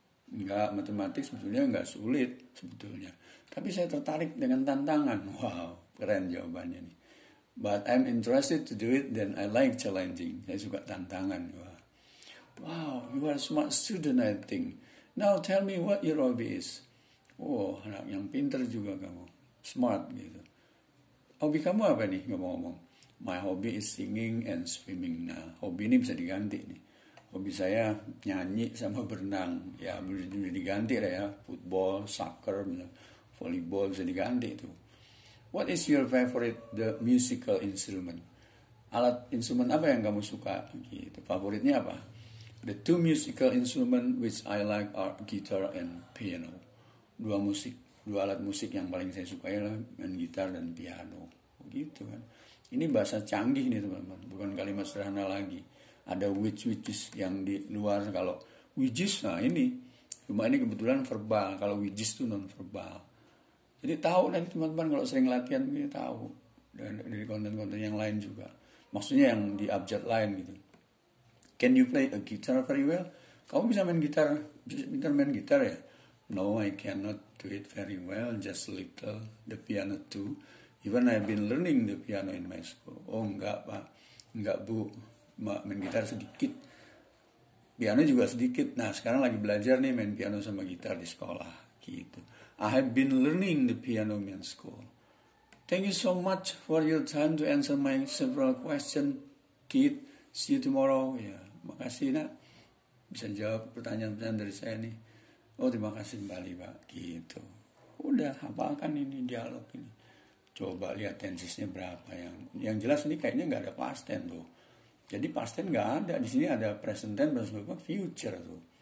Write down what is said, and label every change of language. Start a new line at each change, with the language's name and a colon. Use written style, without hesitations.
Indonesian: Enggak, matematik sebetulnya enggak sulit sebetulnya. Tapi saya tertarik dengan tantangan. Wow, keren jawabannya nih.
English: But I'm interested to do it, then I like challenging.
Indonesian: Saya suka tantangan.
English: Wow, you are a smart student, I think. Now tell me what your hobby is.
Indonesian: Oh, anak yang pinter juga kamu. Smart gitu. Hobi kamu apa nih, ngomong-ngomong?
English: My hobby is singing and swimming.
Indonesian: Nah, hobi ini bisa diganti nih. Hobi saya nyanyi sama berenang. Ya, bisa diganti lah ya. Football, soccer, volleyball bisa diganti itu.
English: What is your favorite the musical instrument?
Indonesian: Alat instrumen apa yang kamu suka? Gitu. Favoritnya apa?
English: The two musical instrument which I like are guitar and piano.
Indonesian: Dua alat musik yang paling saya suka ialah main gitar dan piano. Gitu kan. Ini bahasa canggih nih teman-teman, bukan kalimat sederhana lagi. Ada which is yang di luar, kalau which is, nah ini. Cuma ini kebetulan verbal, kalau which is itu non-verbal. Jadi tahu nanti teman-teman kalau sering latihan, ini tahu. Dan dari konten-konten yang lain juga. Maksudnya yang di abjad lain gitu.
English: Can you play a guitar very well?
Indonesian: Kamu bisa main gitar? Bisa main gitar ya?
English: No, I cannot do it very well, just a little. The piano too. Even I've been learning the piano in my school.
Indonesian: Oh enggak pak, enggak bu, mak main gitar sedikit, piano juga sedikit. Nah sekarang lagi belajar nih main piano sama gitar di sekolah gitu.
English: I have been learning the piano in school. Thank you so much for your time to answer my several question, kid. See you tomorrow.
Indonesian: Ya, makasih nak, bisa jawab pertanyaan-pertanyaan dari saya nih. Oh terima kasih kembali pak, gitu. Udah hafalkan ini dialog ini. Coba lihat tensisnya berapa yang jelas ini kayaknya nggak ada past tense tuh. Jadi past tense nggak ada di sini, ada present tense dan sebagainya, future tuh.